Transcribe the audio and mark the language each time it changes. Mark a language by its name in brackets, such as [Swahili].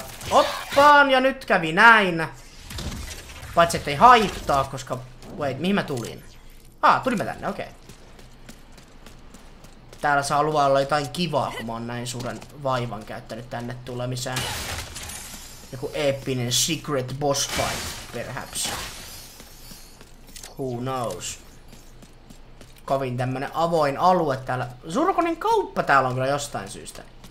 [Finnish] Oppaan, ja nyt kävi näin. Paitsi ettei haittaa, koska, wait, mihin mä tulin? Tulin mä tänne, okei. Täällä saa luvalla jotain kivaa, kun mä oon näin suuren vaivan käyttänyt tänne tulemiseen. Joku eeppinen [English] secret boss fight, perhaps. Who knows? [Finnish] Kovin tämmönen avoin alue täällä. Surkonin kauppa täällä on kyllä jostain syystä.